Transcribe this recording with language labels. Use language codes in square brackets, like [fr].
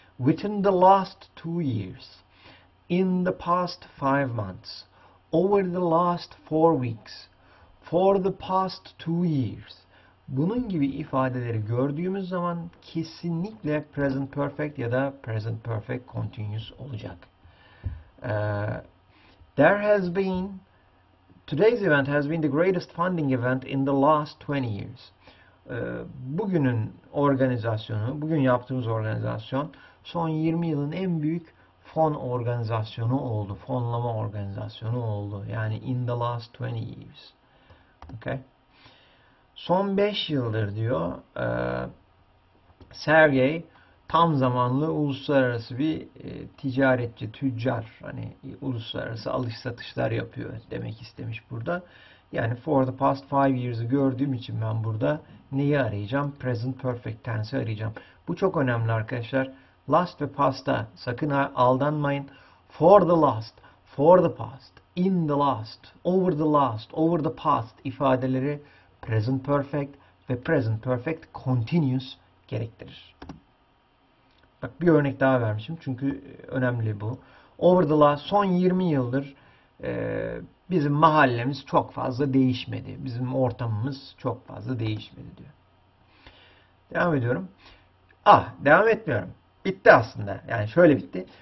[en] Within the last 2 years. In the past 5 months. Over the last 4 weeks. For the past 2 years. [tr] Bunun gibi ifadeleri gördüğümüz zaman kesinlikle present perfect ya da present perfect continuous olacak. [en] There has been, today's event has been the greatest funding event in the last 20 years. [tr] Bugünün organizasyonu, bugün yaptığımız organizasyon son 20 yılın en büyük fon organizasyonu oldu. Fonlama organizasyonu oldu. Yani [en] in the last 20 years. Okay. [tr] Son 5 yıldır diyor Sergey tam zamanlı uluslararası bir ticaretçi, tüccar, hani uluslararası alış-satışlar yapıyor demek istemiş burada. Yani [en] for the past 5 years'ı [tr] gördüğüm için ben burada neyi arayacağım? Present perfect tense'i arayacağım. Bu çok önemli arkadaşlar. Last ve past'a sakın aldanmayın. [en] For the last, for the past, in the last, over the last, over the past ifadeleri present perfect ve present perfect continuous gerektirir. [tr] Bak bir örnek daha vermişim çünkü önemli bu. [en] Over the last [tr] son 20 yıldır bizim mahallemiz çok fazla değişmedi. Bizim ortamımız çok fazla değişmedi diyor. Devam ediyorum. Ah, devam etmiyorum. Bitti aslında. Yani şöyle bitti.